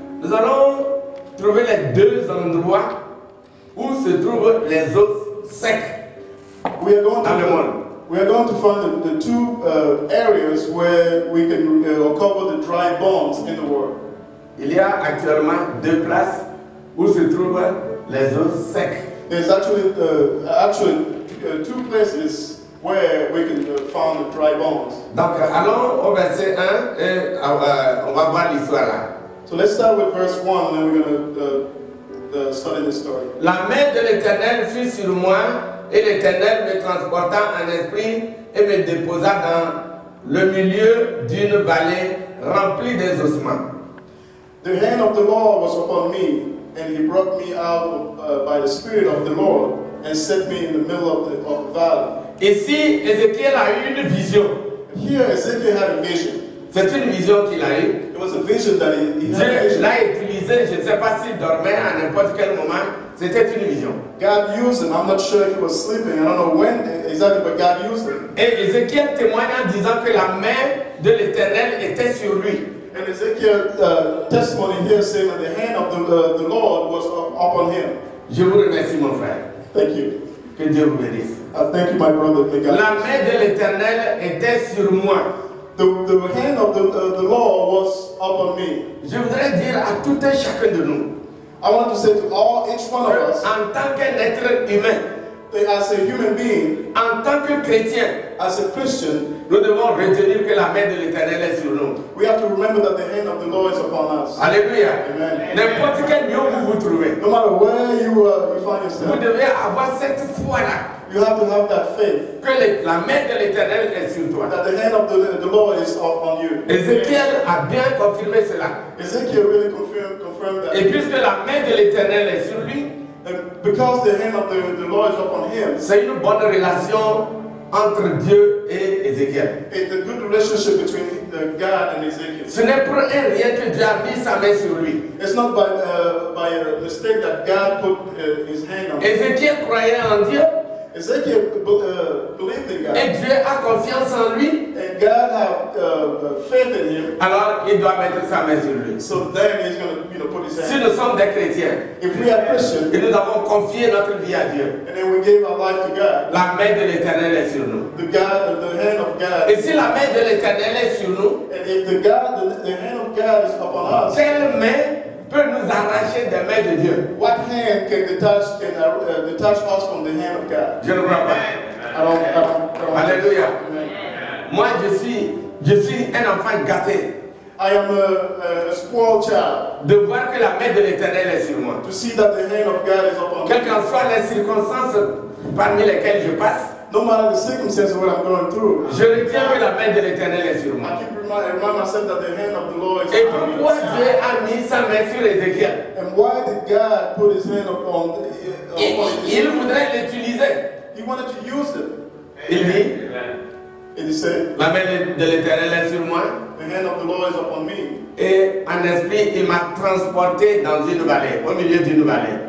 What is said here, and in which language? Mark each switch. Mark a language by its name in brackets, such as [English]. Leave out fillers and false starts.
[French] Nous allons trouver les deux endroits où se trouvent les os secs dans le monde. [English] We are going to find the two areas where we can recover the dry bones in the world. [French] Il y a actuellement deux places où se trouvent les zones secs. [English] There's actually two places where we can find the dry bones. [French] Donc allons au verset 1 et on va voir l'histoire là. [English] So let's start with verse 1 and then we're going to study the story. [French] La main de l'Éternel fut sur moi et l'Éternel me transporta en esprit et me déposa dans le milieu d'une vallée remplie des ossements. [English] The hand of the Lord was upon me, and he brought me out by the Spirit of the Lord, and set me in the middle of the valley. [French] Ici, Ézéchiel a eu une vision. [English] Here, Ézéchiel had a vision. [French] C'est une vision qu'il a eu. [English] It was a vision that he had. [French] L'a utilisé, je ne sais pas s'il dormait à n'importe quel moment. C'était une vision. [English] God used him. I'm not sure if he was sleeping. I don't know when exactly, but God used him. [French] Et Ézéchiel témoigna en disant que la main de l'Éternel était sur lui. [English] And Ezekiel's testimony here saying that the hand of the Lord was upon him. [French] Je vous remercie, mon frère. [English] Thank you. [French] Que Dieu vous bénisse. [English] Thank you, my brother. [French] La main de l'Éternel était sur moi. [English] The hand of the Lord was upon me. [French] Je voudrais dire à tout un chacun de nous. [English] I want to say to all, each one of us. [French] En tant qu'être humain. [English] As a human being, [French] en tant que chrétien, [English] as a Christian, [French] nous devons retenir que la main de l'Éternel est sur nous. [English] We have to remember that the hand of the Lord is upon us. Alléluia. Amen. [French] N'importe quel lieu où vous trouvez, [English] no matter where you find yourself, [French] vous devez avoir cette foi-là. [English] You have to have that faith. [French] Que la main de l'Éternel est sur toi. [English] That the hand of the Lord is upon you. [French] Ézéchiel a bien confirmé cela. [English] Ezekiel really confirmed that. [French] Et puisque la main de l'Éternel est sur lui. [English] And because the hand of the Lord is upon him. [French] C'est une bonne relation entre Dieu et Ézéchiel. [English] It's a good relationship between God and Ezekiel. [French] Ce n'est pour rien que Dieu a mis sa main sur lui. [English] It's not by a mistake that God put his hand on. [French] Ézéchiel croyait en Dieu. [English] Ezekiel believed in God. [French] Et Dieu a confiance en lui. [English] And God had faith in him. [French] Alors il doit mettre sa main sur lui. [English] So then he's going to put his hand. [French] Si nous sommes des chrétiens, [English] if we are Christians, [French] et nous avons confié notre vie à Dieu, [English] and then we gave our life to God, [French] la main de l'Éternel est sur nous. [English] The hand of God. [French] Et si la main de l'Éternel est sur nous, [English] and if the hand of God is upon us, [French] quelle main peut nous arracher des mains de Dieu? [English] What hand can detach us from the hand of God? [French] Je ne crois pas. Alors, alléluia. Moi, je suis un enfant gâté. [English] I am a spoiled child. [French] De voir que la main de l'Éternel est sur moi. [English] To see that the hand of God is upon me. [French] Quelles qu'en soient les circonstances parmi lesquelles je passe. [English] No matter the circumstances where I'm going through. [French] Je retiens que la main de l'Éternel est sur moi. [English] I keep remind myself that the hand of the Lord is upon me. [French] Et pourquoi Dieu a mis sa main sur Ézéchiel? [English] And why did God put his hand upon [French] Ézéchiel? Il voudrait l'utiliser. [English] He wanted to use it. [French] Il dit. [English] And he said. [French] La main de l'Éternel est sur moi. [English] The hand of the Lord is upon me. [French] Et en esprit, il m'a transporté dans une vallée, au milieu d'une vallée.